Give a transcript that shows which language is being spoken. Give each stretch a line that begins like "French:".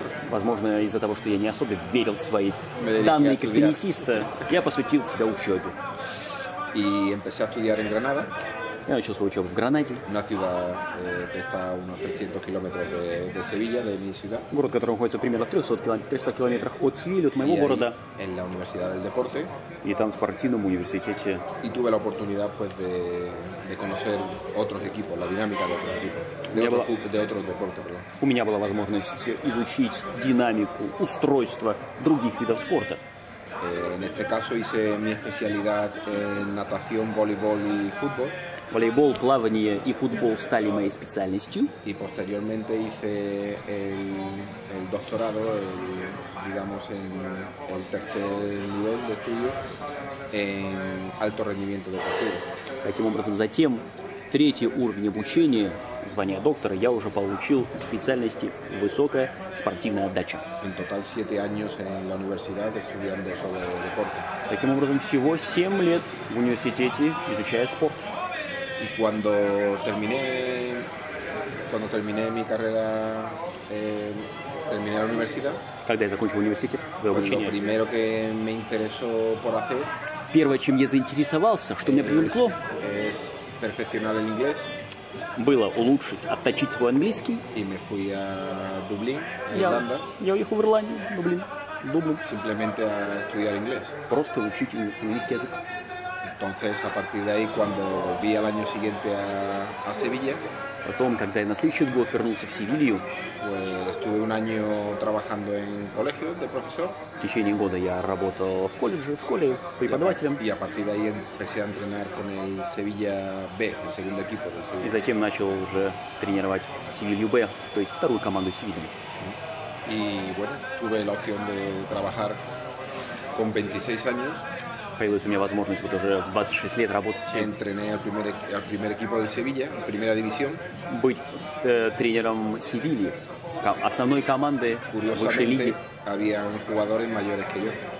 Russian: Возможно, из-за того, что я не особо верил в свои данные как теннисиста, я посвятил себя учебе. И
Spanish: empecé a estudiar en Granada.
Russian: Я начал свою учебу в Гранаде.
Spanish: Una ciudad que está a unos 300 kilómetros de Sevilla, de mi ciudad.
Russian: Город, который находится примерно в 300 километрах от Севильи, от моего города.
Spanish: En la Universidad del Deporte.
Russian: И там в спортивном университете.
Spanish: Y tuve la oportunidad, pues, de conocer otros equipos, la dinámica de otros equipos.
Russian: У меня была возможность изучить динамику, устройство других видов спорта.
Spanish: En este caso hice mi especialidad en natación, voleibol y fútbol.
Russian: Волейбол, плавание и футбол стали моей специальностью.
Spanish: Y posteriormente hice el doctorado, digamos, en el tercer nivel de estudio, en alto rendimiento deportivo.
Russian: Таким образом, затем третий уровень обучения, звание доктора, я уже получил в специальности высокая спортивная отдача.
Spanish: En total 7 años en la universidad estudiando sobre deporte.
Russian: Таким образом, всего 7 лет в университете изучая спорт.
Spanish: Y cuando terminé mi carrera, terminé la universidad.
Russian: Когда я закончил университет, свое обучение.
Spanish: Lo primero que me interesó por hacer.
Russian: первое, чем я заинтересовался, что меня привлекло?
Spanish: Перфекционировал английский.
Russian: Было улучшить, отточить свой английский.
Spanish: И мы фуи в Дублин,
Russian: Я уехал в Ирландию, Дублин.
Spanish: Simplemente a estudiar inglés.
Russian: Просто учить английский язык.
Spanish: Entonces, a partir de ahí, cuando volví al año siguiente a Sevilla.
Russian: Потом, когда я на следующий год вернулся в Севилью,
Spanish: estuve un año trabajando en colegio de profesor.
Russian: В течение года я работал в колледже, в школе преподавателем.
Spanish: Y a partir de ahí empecé a entrenar con el Sevilla B, el segundo equipo del Sevilla.
Russian: И затем начал уже тренировать Севилью Б, то есть вторую команду Севильи.
Spanish: Y bueno, tuve la opción de trabajar con 26 años.
Russian: Появилась у меня возможность вот уже в 26 лет работать.
Spanish: Entrené al primer equipo de Sevilla, primera división.
Russian: Быть тренером Севильи, основной команды высшей лиги.
Spanish: Habían jugadores mayores que yo.